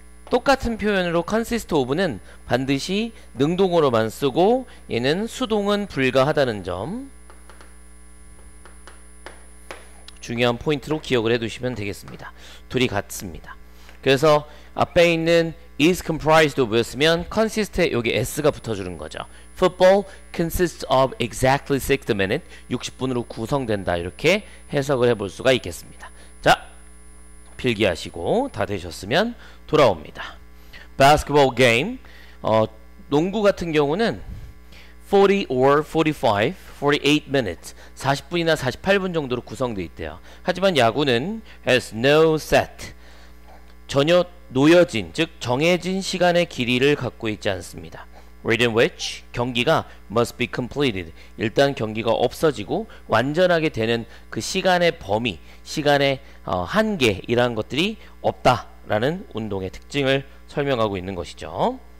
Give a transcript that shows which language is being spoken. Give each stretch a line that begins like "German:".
Korean: 똑같은 표현으로 consist of는 반드시 능동으로만 쓰고 얘는 수동은 불가하다는 점 중요한 포인트로 기억을 해두시면 되겠습니다. 둘이 같습니다. 그래서 앞에 있는
English: is comprised of
Korean: 였으면 consist에 여기 s가 붙어주는 거죠.
English: Football consists of exactly 60 minutes.
Korean: 60분으로 구성된다. 이렇게 해석을 해볼 수가 있겠습니다. 자, 필기하시고 다 되셨으면 돌아옵니다.
English: Basketball game.
Korean: 농구 같은 경우는
English: 40 or 45, 48 minutes.
Korean: 40분이나 48분 정도로 구성되어 있대요. 하지만 야구는
English: has no set.
Korean: 전혀 놓여진, 즉 정해진 시간의 길이를 갖고 있지 않습니다.
English: Within which
Korean: 경기가
English: must be completed.
Korean: 일단 경기가 없어지고 완전하게 되는 그 시간의 범위, 시간의 한계 이러한 것들이 없다라는 운동의 특징을 설명하고 있는 것이죠.